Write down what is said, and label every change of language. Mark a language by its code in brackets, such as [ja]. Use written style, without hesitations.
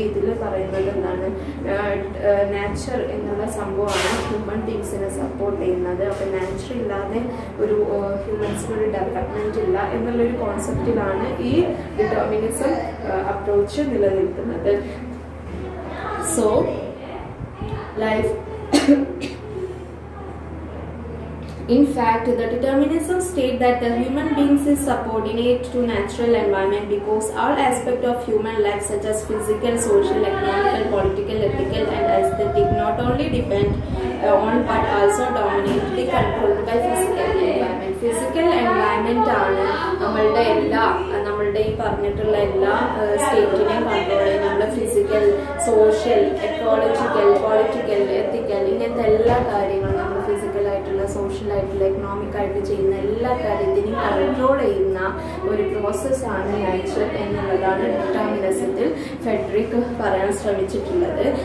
[ml] ഇതിൽ പറയുന്നത് എന്താണ്, നാച്ചർ എന്നുള്ള സംഭവമാണ് ഹ്യൂമൻ ബീങ്സിനെ സപ്പോർട്ട് ചെയ്യുന്നത്. അപ്പം നാച്ചർ ഇല്ലാതെ ഒരു ഹ്യൂമൻസിനൊരു ഡെവലപ്മെൻറ്റ് ഇല്ല എന്നുള്ളൊരു കോൺസെപ്റ്റിലാണ് ഈ ഡിറ്റർമിനിസം അപ്രോച്ച് നിലനിൽക്കുന്നത്. [en] So life In fact, the determinism state that the human beings is subordinate to natural environment because all aspects of human life such as physical, social, economical, political, ethical and aesthetic not only depend on but also dominate the controlled by physical environment. [ml] Physical environment ആണ് നമ്മളുടെ എല്ലാ നമ്മളുടെ ഈ പറഞ്ഞിട്ടുള്ള എല്ലാ സ്റ്റേറ്റിനെയും control ചെയ്യുന്നത്. നമ്മുടെ physical, social, ecological, political, എത്തിക്കൽ, ഇങ്ങനത്തെ എല്ലാ കാര്യങ്ങളും നമ്മൾ ഫിസിക്കലായിട്ടുള്ള, സോഷ്യലായിട്ടുള്ള, എക്കണോമിക്കായിട്ട് ചെയ്യുന്ന എല്ലാ കാര്യത്തിനെയും കൺട്രോൾ ചെയ്യുന്ന ഒരു പ്രോസസ്സാണ് നാച്ചർ എന്നുള്ളതാണ് ഡിറ്റർമിനിസത്തിൽ ഫ്രെഡറിക് പറയാൻ ശ്രമിച്ചിട്ടുള്ളത്.